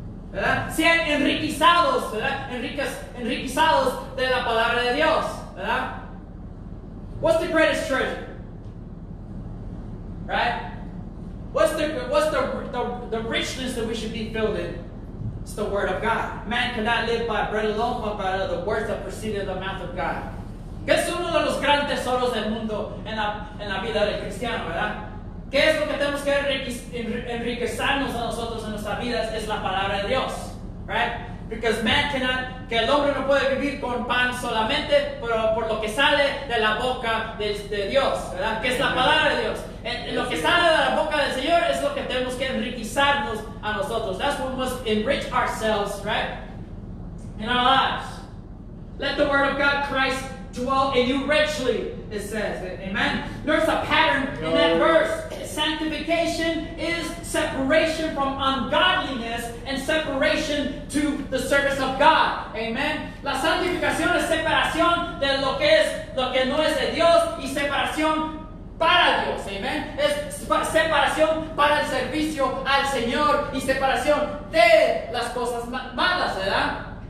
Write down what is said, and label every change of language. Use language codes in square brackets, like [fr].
[es] ¿Verdad? Sean enriquezados, ¿verdad? Enriquezados de la palabra de Dios, ¿verdad? [en] What's the greatest treasure? Right? What's the richness that we should be filled in? It's the word of God. Man cannot live by bread alone, but by the words that proceed of the mouth of God. [es] ¿Qué es uno de los grandes tesoros del mundo en la vida del cristiano, verdad? ¿Qué es lo que tenemos que enriquecernos a nosotros en nuestras vidas? Es la palabra de Dios, [en] right? Because man cannot, [es] que el hombre no puede vivir con pan solamente, pero por lo que sale de la boca de Dios, ¿verdad? Que es la palabra de Dios. Lo que sale de la boca del Señor es lo que tenemos que enriquecernos a nosotros. [en] That's what we must enrich ourselves, right? In our lives. Let the word of God Christ dwell in you richly, it says. Amen. There's a pattern in that verse. Sanctification is separation from ungodliness and separation to the service of God. Amen. [es] La santificación es separación de lo que es, lo que no es de Dios y separación para Dios. Amen. Es separación para el servicio al Señor y separación de las cosas malas, ¿verdad?